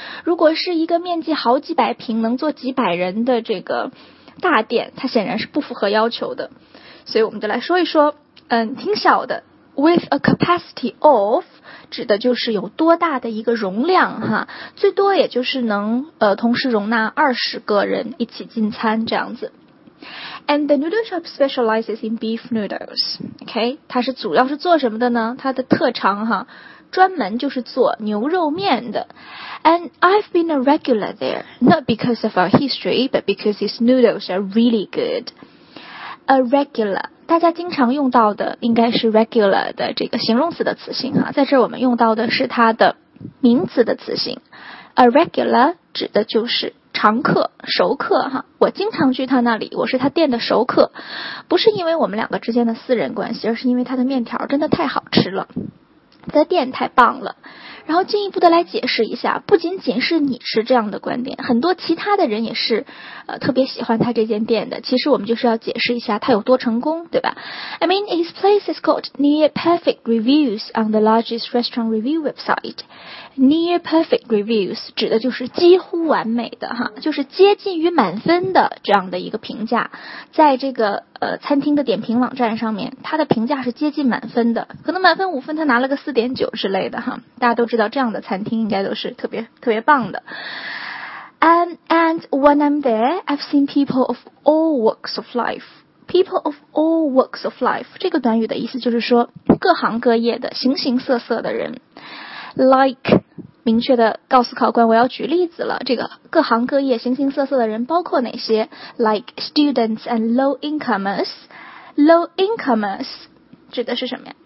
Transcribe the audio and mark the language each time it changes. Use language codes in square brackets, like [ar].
[zh] 如果是一个面积好几百平能坐几百人的这个大店，它显然是不符合要求的，所以我们就来说一说挺小的， [en] With a capacity of [zh] 指的就是有多大的一个容量哈，最多也就是能同时容纳20个人一起进餐这样子。 [en] And the noodle shop specializes in beef noodles. [zh] Okay, 它是主要是做什么的呢？它的特长哈，专门就是做牛肉面的。 [en] And I've been a regular there, not because of our history, but because his noodles are really good. A regular. [zh] 大家经常用到的应该是 regular 的这个形容词的词性哈，在这儿我们用到的是它的名词的词性。 A regular 指的就是常客、熟客哈。我经常去他那里，我是他店的熟客，不是因为我们两个之间的私人关系，而是因为他的面条真的太好吃了，他的店太棒了。然后进一步的来解释一下，不仅仅是你是这样的观点，很多其他的人也是特别喜欢他这间店的，其实我们就是要解释一下他有多成功，对吧？ [en] I mean, his place is got near perfect reviews on the largest restaurant review website. Near perfect reviews [zh] 指的就是几乎完美的哈，就是接近于满分的这样的一个评价，在这个餐厅的点评网站上面，他的评价是接近满分的，可能满分5分，他拿了个 4.9 之类的哈。大家都知道这样的餐厅应该都是特别棒的。 [en] And when I'm there, I've seen people of all walks of life. People of all walks of life. [zh] 这个短语的意思就是说，各行各业的形形色色的人。 Like, 明确的告诉考官我要举例子了。这个各行各业形形色色的人包括哪些？ [en] Like students and low incomers. Low incomers [zh] 指的是什么呀？